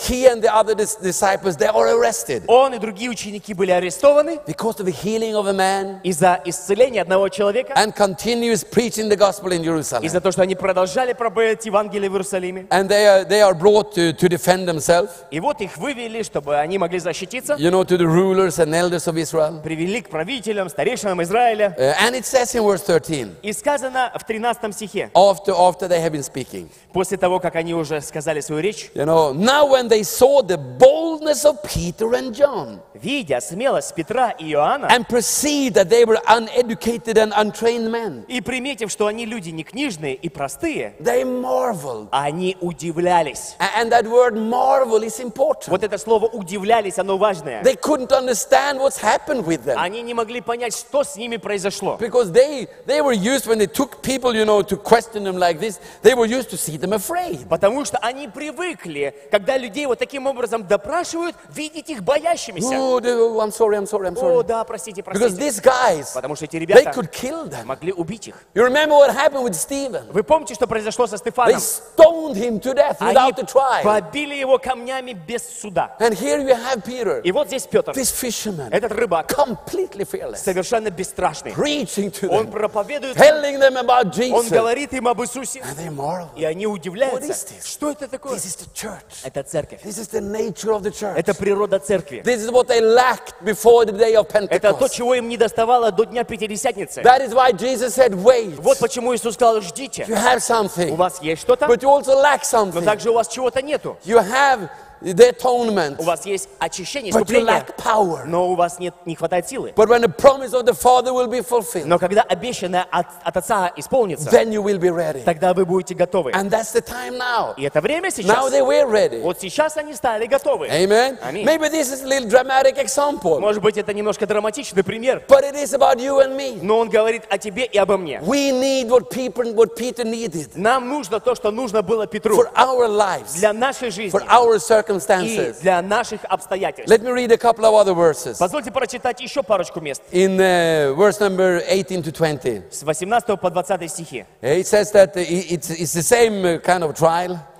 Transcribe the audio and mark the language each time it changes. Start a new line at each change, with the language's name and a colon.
English: He and the other the disciples, they are arrested.
Russian: Он и другие ученики были арестованы.
English: Because of the healing of a man.
Russian: Из-за исцеления одного человека.
English: And continues preaching the gospel in Jerusalem.
Russian: Из-за того, что они продолжали проповедовать Евангелие в Иерусалиме.
English: And they are brought to defend themselves.
Russian: И вот их вывели, чтобы они могли защититься.
English: You know, to the rulers and elders of Israel.
Russian: Привели к правителям, старейшинам Израиля.
English: And it says in verse 13.
Russian: И сказано в 13 стихе.
English: After they have been speaking.
Russian: После того, как они уже сказали свою речь.
English: You know, now when they saw the boldness. boldness of Peter and John,
Russian: видя смелость Петра и Иоанна,
English: and perceived that they were uneducated and untrained men,
Russian: и приметив, что они люди некнижные и простые,
English: they marveled,
Russian: они удивлялись.
English: And that word marvel is important.
Russian: Вот это слово удивлялись, оно важное.
English: They couldn't understand what's happened with them.
Russian: Они не могли понять, что с ними произошло.
English: Because they were used when they took people, you know, to question them like this, they were used to see them afraid.
Russian: Потому что они привыкли, когда людей вот таким образом допрашивают, видеть их боящимися.
English: I'm sorry.
Russian: О, да, простите.
English: Because these guys,
Russian: потому что эти ребята,
English: they could kill them.
Russian: Могли убить их.
English: You remember what happened with Stephen?
Russian: Вы помните, что произошло со Стефаном?
English: They stoned him to death without a trial.
Russian: Побили его камнями без суда.
English: And here you have Peter.
Russian: И вот здесь Петр.
English: This fisherman.
Russian: Этот рыбак.
English: Completely fearless.
Russian: Совершенно бесстрашный.
English: Preaching to them.
Russian: Он проповедует.
English: Telling them about Jesus.
Russian: Он говорит им об Иисусе.
English: And they marvel.
Russian: И они удивляются.
English: What is this?
Russian: Что это такое?
English: This is the church.
Russian: Это церковь.
English: This is the nature of the church.
Russian: Это природа церкви.
English: This is what they lacked before the day of Pentecost.
Russian: Это то, чего им не доставало до дня Пятидесятницы.
English: That is why Jesus said, "Wait."
Russian: Вот почему Иисус сказал: "Ждите."
English: You have something.
Russian: У вас есть что-то.
English: But you also lack something.
Russian: Но также у вас чего-то нету.
English: You have the atonement.
Russian: У вас есть очищение,
English: but you lack power.
Russian: Но у вас нет, не хватает силы.
English: But when the promise of the Father will be fulfilled.
Russian: Но когда обещанное от Отца исполнится,
English: then you will be ready.
Russian: Тогда вы будете готовы.
English: And that's the time now.
Russian: И это время сейчас.
English: Now they were ready.
Russian: Вот сейчас они стали готовы.
English: Amen. Amen. Maybe this is a little dramatic example.
Russian: Может быть, это немножко драматичный пример.
English: But it is about you and me.
Russian: Но он говорит о тебе и обо мне.
English: We need what Peter needed.
Russian: Нам нужно то, что нужно было Петру.
English: For our lives.
Russian: Для нашей жизни.
English: For our circumstances.
Russian: И для наших обстоятельств.
English: Let me read a couple of other verses.
Russian: Позвольте прочитать еще парочку мест.
English: In verse number 18 to 20.
Russian: С 18 по 20 стихи.
English: It says that it's the same kind of trial.